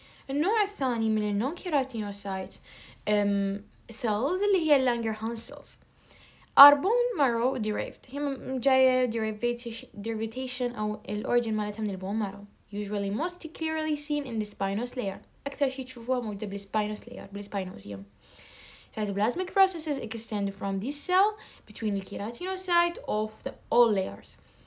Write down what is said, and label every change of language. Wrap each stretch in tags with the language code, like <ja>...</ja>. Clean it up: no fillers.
<ar>النوع الثاني من النون كيراتينوسايت سيلز اللي هي اللانجرهانس سيلز أربون مارو ديريفت، هي جاية ديريفيتيشن أو الأورجين مالتها من البون مارو.</ar> <en>usually most clearly seen in the spinous layer.</en> <ar>أكثر شيء تشوفوها موجودة بالسبينوس layer بالسبينوسيوم.</ar> <en>cytoplasmic processes extend from this cell between the keratinocyte of the all layers.</en>